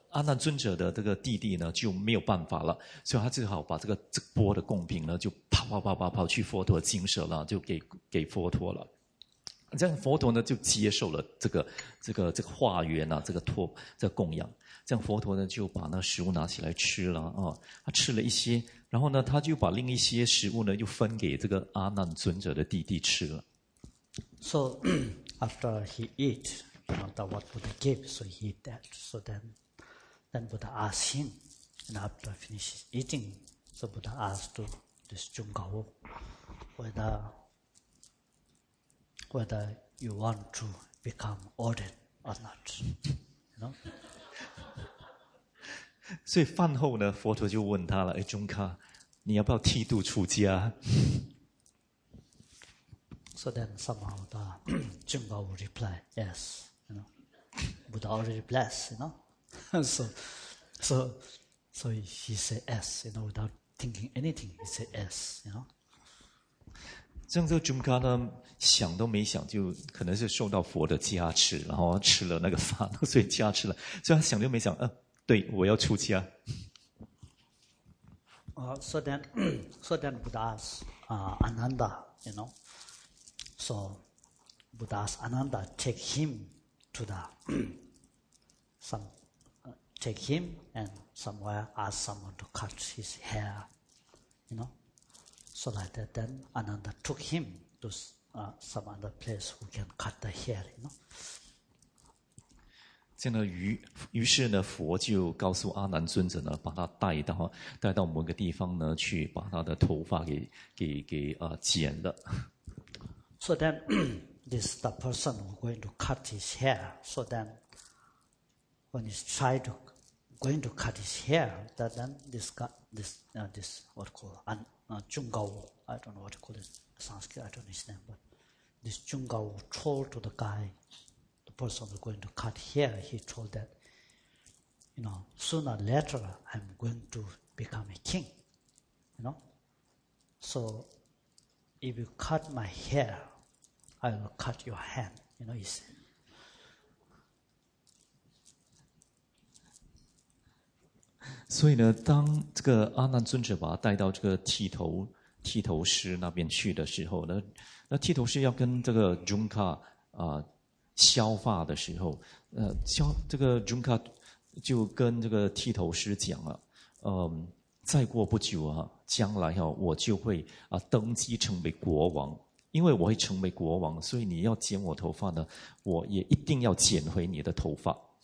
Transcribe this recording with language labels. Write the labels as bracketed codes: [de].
[zh] 阿难尊者的这个弟弟呢就没有办法了，所以他只好把这个这钵的贡品呢就跑跑跑跑跑去佛陀的精舍了，就给佛陀了。这样佛陀呢就接受了这个化缘啊，这个托这个、供养。这样佛陀呢就把那食物拿起来吃了啊，他吃了一些，然后呢他就把另一些食物呢又分给这个阿难尊者的弟弟吃了。 [en] So after he eat, you know that what Buddha gave, so he ate that. So then Buddha asked him, and after finishes eating, so Buddha asked to this Junggao whether you want to become ordained or not, you know. [zh] 所以饭后呢，佛陀就问他了：“哎，中卡，你要不要剃度出家？” [en] So then somehow the Junggao would reply, "Yes, you know, Buddha already blessed, you know." So he said yes, you know, without thinking anything, he said yes, you know. [zh] 这样子Junggao呢，想都没想，就可能是受到佛的加持，然后吃了那个饭，所以加持了。所以他想都没想，对，我要出家。 [en] So then Buddha asked Ananda, you know. So Buddha asked Ananda take him to the take him and somewhere ask someone to cut his hair, you know. So like that, then Ananda took him to some other place who can cut the hair, you know. [zh] 这样呢，于是呢，佛就告诉阿难尊者呢，把他带到某个地方呢，去把他的头发给剪了。 [en] So then, this is the person who going to cut his hair. So then, when he's tried to going to cut his hair, that then this guy, this what call Junggao, I don't know what call it Sanskrit, I don't know his name, but this Junggao told to the guy. Person who's going to cut hair, he told that, you know, sooner or later I'm going to become a king, you know. So if you cut my hair, I will cut your hand, you know, he said. [zh] 所以呢，当这个阿难尊者把他带到这个剃头师那边去的时候呢，那剃头师要跟这个 Junggao 削发的时候，这个 Junggao 就跟这个剃头师讲了，再过不久啊，将来啊，我就会登基成为国王，因为我会成为国王，所以你要剪我头发呢，我也一定要剪回你的头发。